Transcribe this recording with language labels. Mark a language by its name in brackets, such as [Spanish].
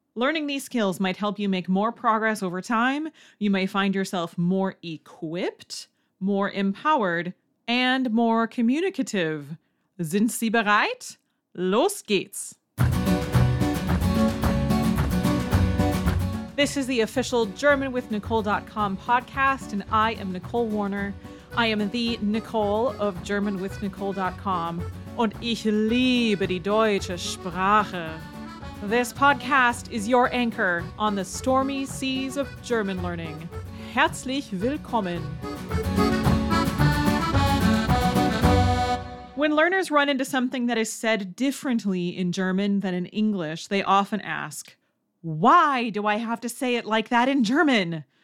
[English] Learning these skills might help you make more progress over time. You may find yourself more equipped, more empowered, and more communicative. [German] Sind Sie bereit? Los geht's! [English] This is the official GermanWithNicole.com podcast, and I am Nicole Warner. I am the Nicole of GermanWithNicole.com, [German] und ich liebe die deutsche Sprache. [English] This podcast is your anchor on the stormy seas of German learning. [German] Herzlich willkommen. [English] When learners run into something that is said differently in German than in English, they often ask, why do I have to say it like that in German?